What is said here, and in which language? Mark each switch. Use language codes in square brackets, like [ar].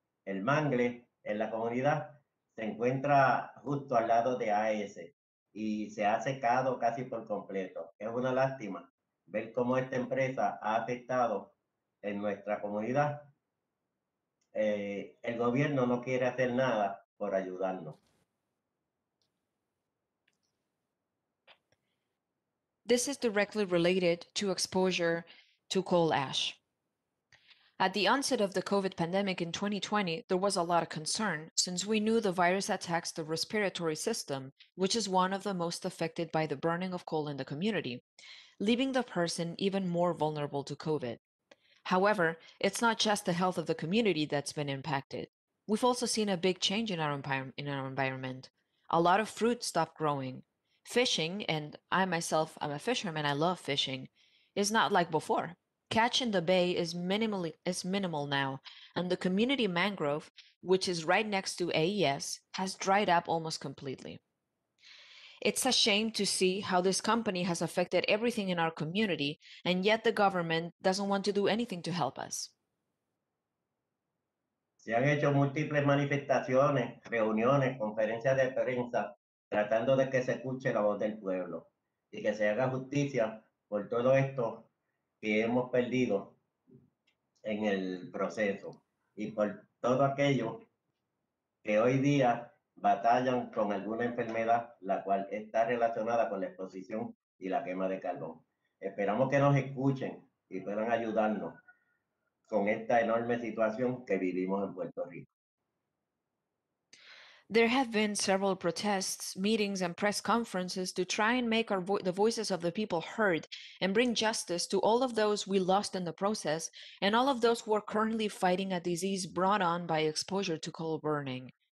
[es] El mangle en la comunidad se encuentra justo al lado de AES y se ha secado casi por completo. Es una lástima ver cómo esta empresa ha afectado en nuestra comunidad. El gobierno no quiere hacer nada por ayudarnos. [en] This is directly related to exposure to coal ash. At the onset of the COVID pandemic in 2020, there was a lot of concern since we knew the virus attacks the respiratory system, which is one of the most affected by the burning of coal in the community, leaving the person even more vulnerable to COVID. However, it's not just the health of the community that's been impacted. We've also seen a big change in our environment. A lot of fruit stopped growing. Fishing, and I myself, I'm a fisherman, I love fishing, is not like before. Catch in the bay is minimal now, and the community mangrove, which is right next to AES, has dried up almost completely. It's a shame to see how this company has affected everything in our community, and yet the government doesn't want to do anything to help us. [es] Se han hecho múltiples manifestaciones, reuniones, conferencias de prensa, tratando de que se escuche la voz del pueblo y que se haga justicia por todo esto que hemos perdido. en el proceso y por todo aquello que hoy día batallan con alguna enfermedad la cual está relacionada con la exposición y la quema de carbón. Esperamos que nos escuchen y puedan ayudarnos con esta enorme situación que vivimos en Puerto Rico. [en] There have been several protests, meetings, and press conferences to try and make the voices of the people heard and bring justice to all of those we lost in the process and all of those who are currently fighting a disease brought on by exposure to coal burning.